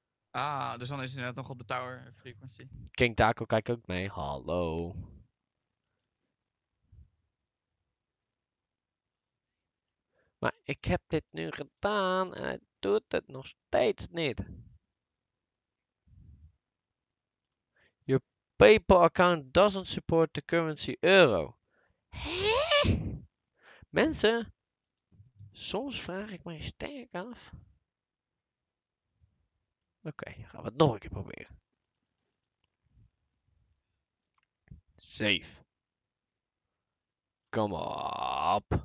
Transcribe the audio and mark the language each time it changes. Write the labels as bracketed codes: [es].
[nl] Ah, dus dan is hij net nog op de tower frequency. King Taco kijkt ook mee. Hallo. Maar ik heb dit nu gedaan en hij doet het nog steeds niet. [en] Your PayPal account doesn't support the currency euro. [nl] Mensen, soms vraag ik mij sterk af. Oké, gaan we het nog een keer proberen. [en] Save. Come on.